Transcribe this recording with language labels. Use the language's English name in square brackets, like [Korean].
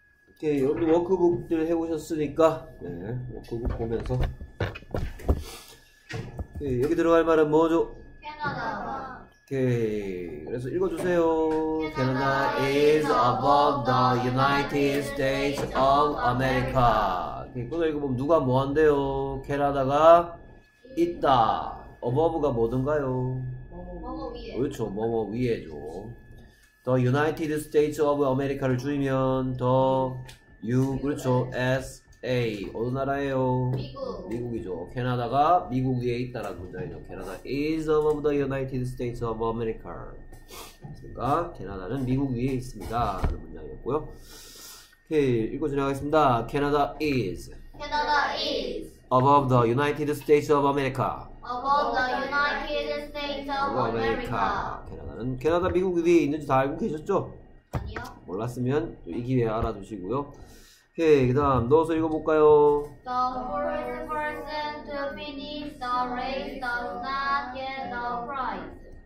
[Korean] 오케이, 여러분 워크북들 해보셨으니까 네, 워크북 보면서 오케이, 여기 들어갈 말은 뭐죠? 오케이, 그래서 읽어주세요. [English] Canada is above the United States of America. [Korean] 이거 읽어보면 누가 뭐 한대요? 캐나다가 있다. above가 뭐든가요? 그렇죠, 뭐뭐 위에죠. The United States of America를 줄이면 the U, 그렇죠, S, A. 어느 나라예요? 미국이죠. 캐나다가 미국 위에 있다라는 문장이죠. [English] 캐나다 is above the United States of America. [Korean] 그러니까 캐나다는 미국 위에 있습니다. 라는 문장이었고요. 오케이, 읽고 지나가겠습니다. [English] 캐나다 is 캐나다 is above the United States of America. above the United States of America. [Korean] 캐나다는 캐나다 미국 위에 있는지 다 알고 계셨죠? 아니요. 몰랐으면 이 기회에 알아두시고요. 오케이, 그 다음 넣어서 읽어볼까요? [English] The first person to finish the race does not get the prize.